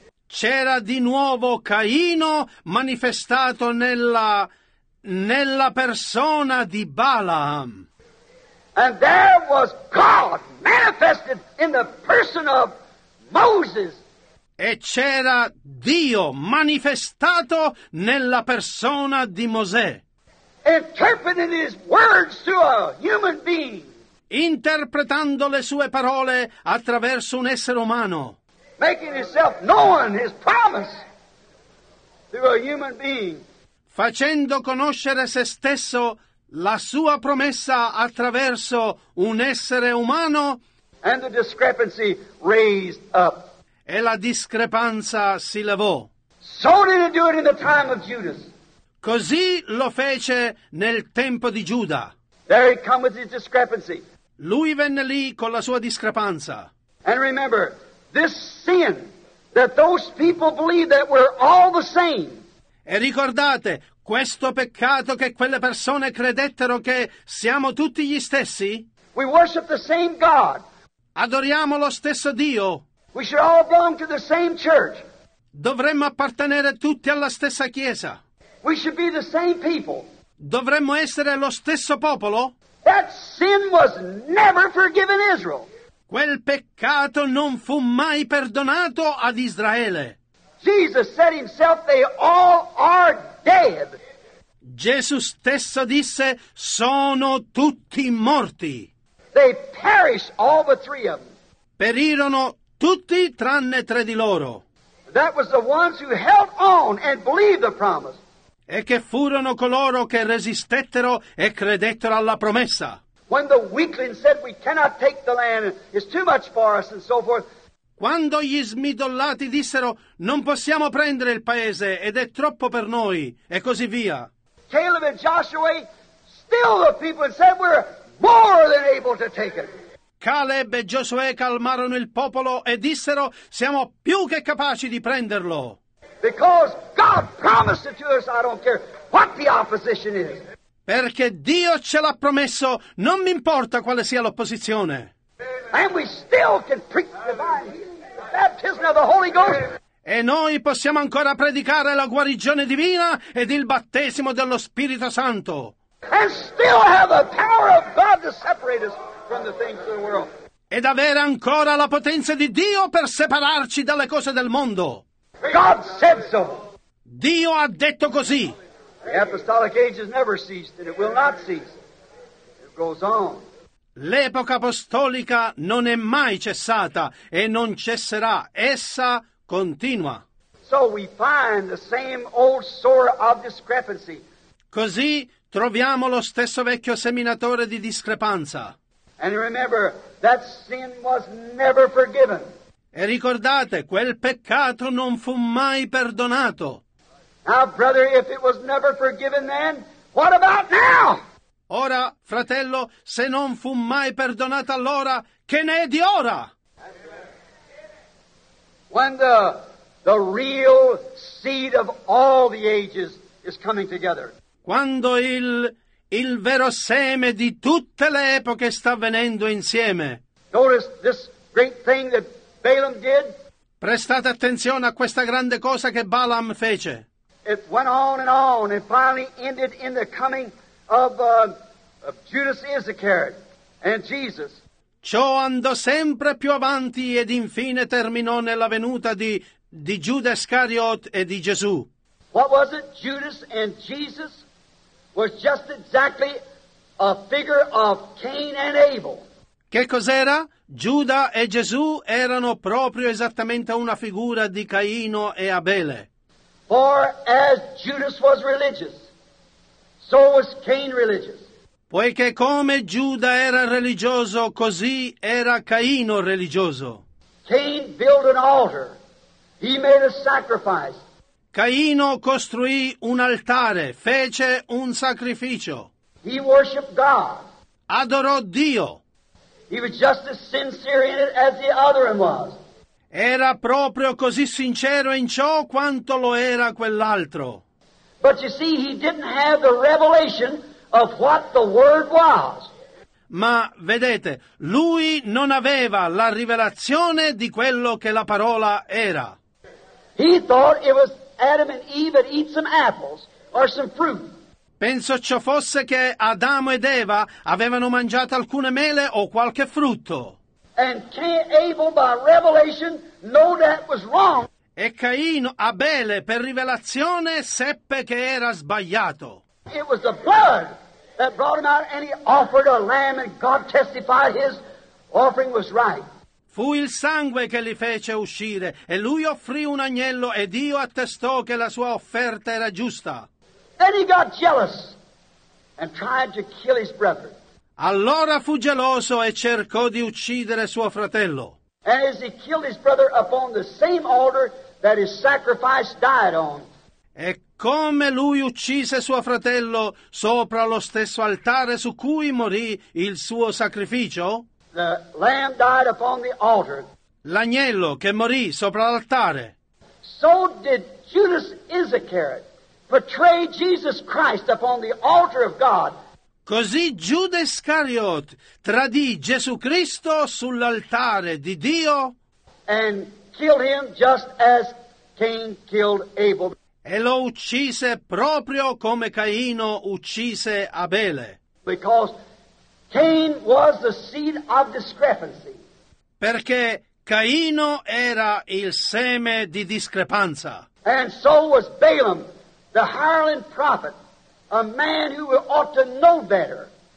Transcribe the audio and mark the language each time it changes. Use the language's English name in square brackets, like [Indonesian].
[Italian] C'era di nuovo Caino manifestato nella persona di Balaam. [English] And there was God manifested in the person of Moses. [Italian] E c'era Dio manifestato nella persona di Mosè. [English] Interpreting his words to a human being. [Italian] Interpretando le sue parole attraverso un essere umano. [English] Making himself known his promise to a human being. [Italian] Facendo conoscere se stesso la sua promessa attraverso un essere umano. [English] And the discrepancy raised up. [Italian] E la discrepanza si levò. [English] So did he do it in the time of Judas. [Italian] Così lo fece nel tempo di Giuda. [English] There he come with his discrepancy. [Italian] Lui venne lì con la sua discrepanza. [English] And remember, this sin that those people believe that we're all the same. [Italian] E ricordate, questo peccato che quelle persone credettero che siamo tutti gli stessi. [English] We worship the same God. [Italian] Adoriamo lo stesso Dio. [English] We should all belong to the same church. [Italian] Dovremmo appartenere tutti alla stessa chiesa. [English] We should be the same people. [Italian] Dovremmo essere lo stesso popolo. [English] That sin was never forgiven Israel. [Italian] Quel peccato non fu mai perdonato ad Israele. [English] Jesus said himself, they all are dead. [Italian] Gesù stesso disse, sono tutti morti. [English] They perish, all the three of them. [Italian] Perirono tutti tranne tre di loro. [English] That was the ones who held on and believed the promise. [Italian] E che furono coloro che resistettero e credettero alla promessa. [English] When the weakling said, we cannot take the land, it's too much for us, and so forth. [Italian] Quando gli smidollati dissero, non possiamo prendere il paese ed è troppo per noi, e così via. [English] Caleb and Joshua still the people and said, we're more than able to take it. [Italian] Caleb e Giosuè calmarono il popolo e dissero, siamo più che capaci di prenderlo. [English] Because God promised it to us, I don't care what the opposition is. [Italian] Perché Dio ce l'ha promesso, non mi importa quale sia l'opposizione. [English] And we still can preach the baptism of the Holy Ghost. [Italian] E noi possiamo ancora predicare la guarigione divina ed il battesimo dello Spirito Santo. [English] And still have the power of God to separate us from the things of the world. [Italian] Ed avere ancora la potenza di Dio per separarci dalle cose del mondo. [English] God said so. [Italian] Dio ha detto così. [English] The apostolic age has never ceased and it will not cease. It goes on. [Italian] L'epoca apostolica non è mai cessata e non cesserà, essa continua. [English] So we find the same old sower of discrepancy. [Italian] Così troviamo lo stesso vecchio seminatore di discrepanza. [English] And remember, that sin was never forgiven. [Italian] E ricordate, quel peccato non fu mai perdonato. [English] Now, brother, if it was never forgiven then, what about now? [Italian] Ora, fratello, se non fu mai perdonato allora, che ne è di ora? [English] When the real seed of all the ages is coming together. [Italian] Quando il vero seme di tutte le epoche sta venendo insieme. [English] Notice this great thing that Balaam did. [Italian] Prestate attenzione a questa grande cosa che Balaam fece. [English] It went on and finally ended in the coming of Judas Iscariot and Jesus. [Italian] Ciò andò sempre più avanti ed infine terminò nella venuta di Giuda Iscariot e di Gesù. [English] What was it? Judas and Jesus was just exactly a figure of Cain and Abel. [Italian] Che cos'era? Giuda e Gesù erano proprio esattamente una figura di Caino e Abele. [English] For as Judas was religious, so was Cain religious. [Italian] Poiché come Giuda era religioso, così era Caino religioso. [English] Cain built an altar. He made a sacrifice. [Italian] Caino costruì un altare, fece un sacrificio. [English] He worshiped God. [Italian] Adorò Dio. [English] He was just as sincere in it as the other one was. [Italian] Era proprio così sincero in ciò quanto lo era quell'altro. [English] But you see, he didn't have the revelation of what the word was. [Italian] Ma vedete, lui non aveva la rivelazione di quello che la parola era. [English] He thought it was Adam and Eve that eat some apples or some fruit. [Italian] Penso ciò fosse che Adamo ed Eva avevano mangiato alcune mele o qualche frutto. [English] And Cain, Abel, by revelation, know that was wrong. [Italian] E Caino, Abele, per rivelazione, seppe che era sbagliato. [English] It was the blood that brought him out, and he offered a lamb, and God testified his offering was right. [Italian] Fu il sangue che li fece uscire, e lui offrì un agnello, e Dio attestò che la sua offerta era giusta. [English] Then he got jealous and tried to kill his brother. [Italian] Allora fu geloso e cercò di uccidere suo fratello. [English] And as he killed his brother upon the same altar that his sacrifice died on. [Italian] E come lui uccise suo fratello sopra lo stesso altare su cui morì il suo sacrificio? [English] The lamb died upon the altar. [Italian] L'agnello che morì sopra l'altare. [English] So did Judas Iscariot betray Jesus Christ upon the altar of God. [Italian] Così Giuda Iscariot tradì Gesù Cristo sull'altare di Dio [English] and killed him just as Cain killed Abel. [Italian] E lo uccise proprio come Caino uccise Abele. [English] Because Cain was the seed of discrepancy. [Italian] Perché Caino era il seme di discrepanza. [English] And so was Balaam, the hireling prophet. A man who ought to know better.